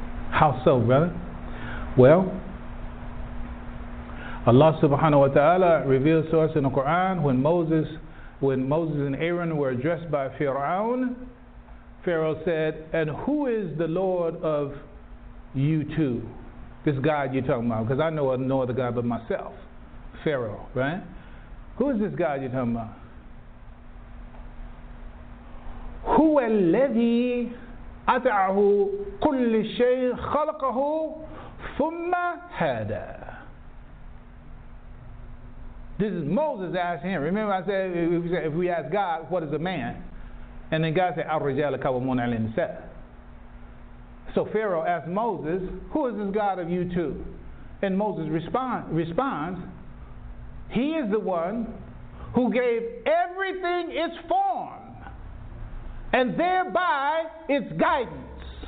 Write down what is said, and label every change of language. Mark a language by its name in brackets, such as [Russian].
[English] How so, brother? Well, Allah subhanahu wa ta'ala reveals to us in the Quran when Moses and Aaron were addressed by Fir'aun, Pharaoh said, and who is the Lord of you two? This God you're talking about, because I know no other God but myself, Pharaoh, right? Who is this God you're talking about? [Arabic] هو الذي أتعه كل شيء خلقه ثم هدى. [English] This is Moses asking him. Remember, I said if we ask God, what is a man? And then God said, [Arabic] الرجال قوامون على النساء. [English] So Pharaoh asked Moses, who is this God of you two? And Moses responds, he is the one who gave everything its form and thereby its guidance.